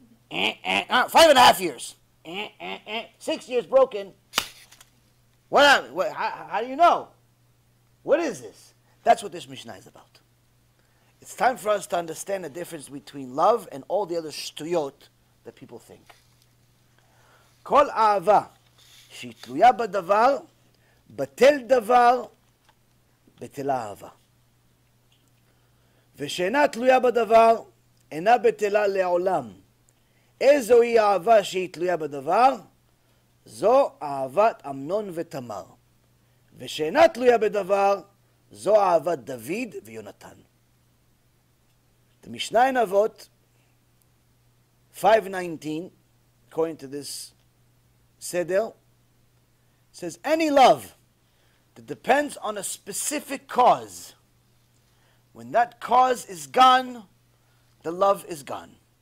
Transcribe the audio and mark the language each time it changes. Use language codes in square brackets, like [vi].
[en] 5.5 years. 6 years broken. How do you know? What is this? That's what this Mishnah is about. It's time for us to understand the difference between love and all the other shtuyot that people think. [he] Kol ahava. שתלויה בדבר, בטל דבר, בטלה אהבה. ושאינה תלויה בדבר, אינה בטלה לעולם. איזו היא אהבה שהיא תלויה בדבר? זו אהבת אמנון ותמר. ושאינה תלויה בדבר, זו אהבת דוד ויונתן. את המשנה אין אבות, [en] 519, according to this סדר, says any love that depends on a specific cause, when that cause is gone, the love is gone.